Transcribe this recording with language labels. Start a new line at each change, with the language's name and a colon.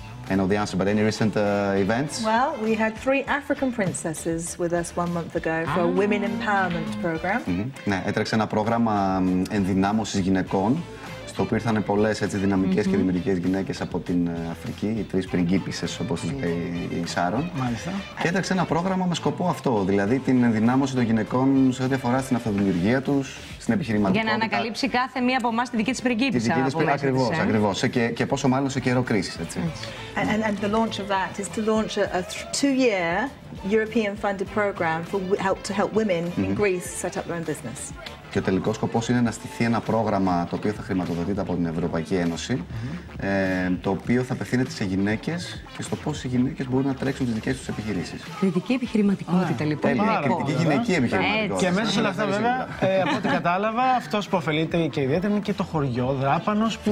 English: I know the answer, but any recent events? Well, we had 3 African princesses with us 1 month ago for a women empowerment program.
Greek: Ναι, έτρεξε ένα πρόγραμμα ενδυνάμωσης γυναικών, στο οποίο ήρθαν πολλές έτσι δυναμικές και δημιουργικές γυναίκες από την Αφρική, οι 3 πριγκίπισσες, όπως λέει η Σάρων. Μάλιστα. Και έτρεξε ένα πρόγραμμα με σκοπό αυτό, δηλαδή την ενδυνάμωση των γυναικών σε ό,τι αφορά στην αυτοδημιουργία τους, στην επιχειρηματικότητα. Για να ανακαλύψει κάθε μία από εμάς τη δική της πριγκίπισσα. Τη δική της, ακριβώς, ακριβώς. Και πόσο μάλλον σε καιρό κρίσης, έτσι.
English: And the launch of that is to launch a 2-year European funded program for help to help women in Greece set up their own business.
Greek: Και ο τελικός σκοπός είναι να στηθεί ένα πρόγραμμα το οποίο θα χρηματοδοτείται από την Ευρωπαϊκή Ένωση, το οποίο θα απευθύνεται σε γυναίκες και στο πώς οι γυναίκες μπορούν να τρέξουν τις δικές τους επιχειρήσεις. Κριτική επιχειρηματικότητα, λοιπόν. Τέλεια, κριτική γυναική επιχειρηματικότητα. Και μέσα σε όλα αυτά, βέβαια, από ό,τι κατάλαβα, αυτός που ωφελείται και ιδιαίτερα είναι και το χωριό Δράπανος που...